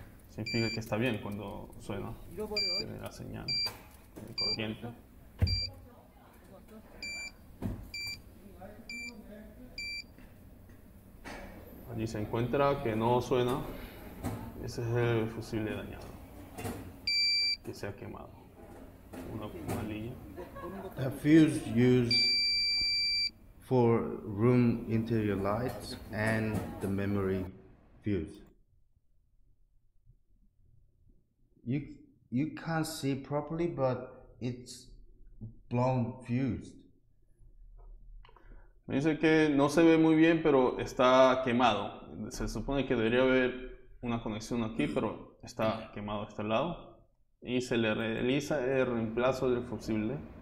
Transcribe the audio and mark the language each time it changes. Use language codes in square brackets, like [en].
[es] significa que está bien cuando suena la señal de corriente. Allí se encuentra que no suena, ese es el fusible dañado, que se ha quemado. Una línea. [en] A fuse used for room interior lights and the memory fuse. You can't see properly, but it's blown fused. [es] Me dice que no se ve muy bien, pero está quemado. Se supone que debería haber una conexión aquí, pero está quemado a este lado. Y se le realiza el reemplazo del fusible.